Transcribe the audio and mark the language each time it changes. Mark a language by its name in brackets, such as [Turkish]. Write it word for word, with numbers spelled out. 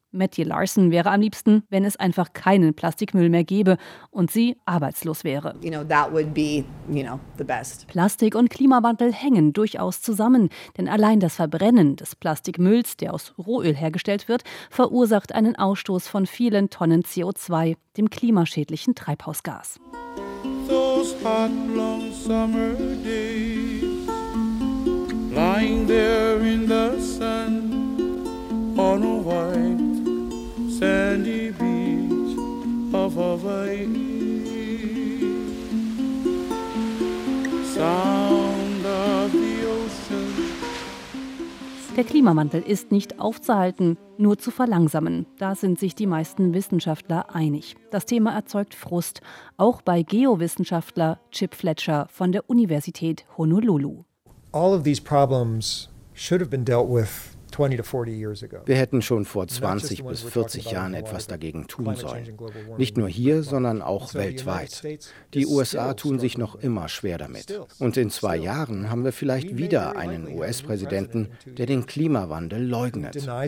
[German] Mattie Larsen wäre am liebsten, wenn es einfach keinen Plastikmüll mehr gäbe und sie arbeitslos wäre. Plastik und Klimawandel hängen durchaus zusammen, denn allein das Verbrennen des Plastikmülls, der aus Rohöl hergestellt wird, verursacht einen Ausstoß von vielen Tonnen C O zwei, dem klimaschädlichen Treibhausgas. [English] Those hot, long summer days, lying there in the sun on a white sandy beach of Hawaii. Sound of the ocean. [German] Der Klimawandel ist nicht aufzuhalten, nur zu verlangsamen. Da sind sich die meisten Wissenschaftler einig. Das Thema erzeugt Frust, auch bei Geowissenschaftler Chip Fletcher von der Universität Honolulu. [English] All of these problems should have been dealt with. [German] Wir hätten schon vor zwanzig bis vierzig Jahren etwas dagegen tun sollen. Nicht nur hier, sondern auch weltweit. Die U S A tun sich noch immer schwer damit. Und in zwei Jahren haben wir vielleicht wieder einen U S-Präsidenten, der den Klimawandel leugnet.